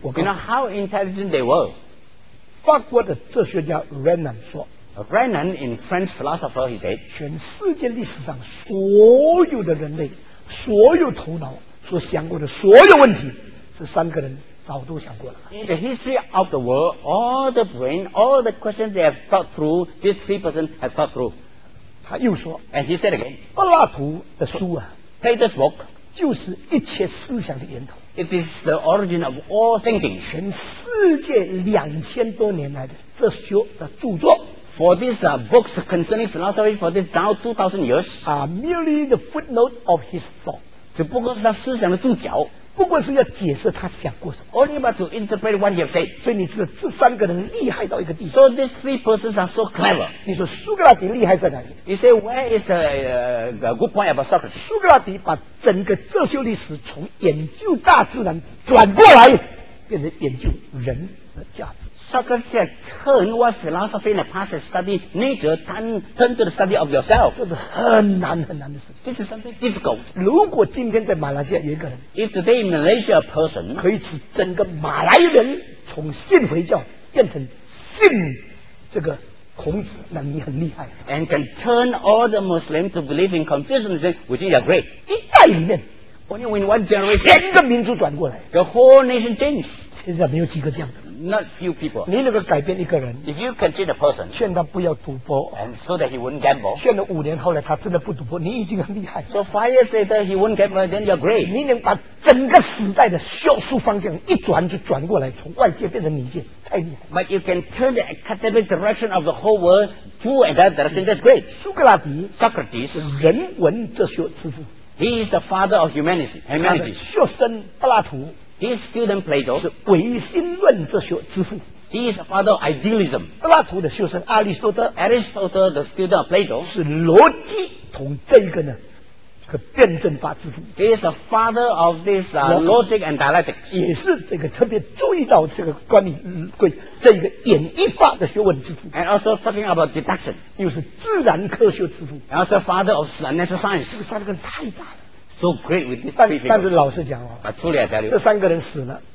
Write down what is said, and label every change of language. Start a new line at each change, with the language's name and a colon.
English: You know how intelligent they were
Chinese: 法国的哲学家 Renan 说
English: Renan in French philosopher he said
Chinese: 全世界历史上所有的人类所有头脑所想过的所有问题这三个人早都想过了
English: In the history of the world all the brain all the questions they have thought through these three persons have thought through
Chinese: 他又说
English: And he said again
Chinese: 柏拉图的书啊
English: Plato's book
Chinese: 就是一切思想的源头
English: It is the origin of all thinking.
Chinese: 全世界2000多年来的哲学的著作
English: For these books concerning philosophy for this now 2000 years are merely the footnote of his thought.
Chinese: 只不过是他思想的注脚不过是要解释他想过什么
English: Only about to interpret what he has said.
Chinese: 所以你知道这三个人厉害到一个地方
English: So these three persons are so clever.
Chinese: 你说苏格拉底厉害在哪里
English: You say where is a good point about Socrates?
Chinese: 苏格拉底把整个哲学历史从研究大自然转过来变成研究人的价值
English: Socrates turned what philosophy in the past has studied nature turned to the study of yourself
Chinese: 这是很难很难的事
English: This is something difficult
Chinese: 如果今天在马来西亚有一个人
English: If today in Malaysia a person
Chinese: 可以使整个马来人从信回教变成信这个孔子那你很厉害
English: And can turn all the Muslims to believe in Confucianism which is great
Chinese: 一代里面
English: Only in one generation
Chinese: 整个民族转过来
English: The whole nation changed
Chinese: 现在没有几个这样的
English: not few people.
Chinese: 你能够改变一个人。
English: If you can change a person,
Chinese: 劝他不要赌博。
English: And so that he wouldn't gamble.
Chinese: 劝了五年，后来他真的不赌博，你已经很厉害。
English: So 5 years later, he wouldn't gamble. Then you're great.
Chinese: 你能把整个时代的销售方向一转就转过来，从外界变成里界，太厉害。
English: But you can turn the academic direction of the whole world to that direction. That's great.
Chinese: 苏格拉底
English: ，Socrates,
Chinese: 人文哲学之父。
English: He is the father of humanity. Humanity.
Chinese: 学生柏拉图。
English: His student Plato
Chinese: 是唯心论哲学之父。
English: He is a father of idealism.
Chinese: 柏拉图的学生阿里斯多德
English: ，Aristotle, the student of Plato,
Chinese: 是逻辑同这个呢，和辩证法之父。
English: He is a father of this logic and dialectics.
Chinese: 也是这个特别注意到这个关于对这个演绎法的学问之父。
English: And also talking about deduction,
Chinese: 又是自然科学之父。
English: And also father of natural science.
Chinese: 这个三个人太大了。
English: So great with these three
Chinese: people. 但是老实讲哦，啊，出来的这三个人死了。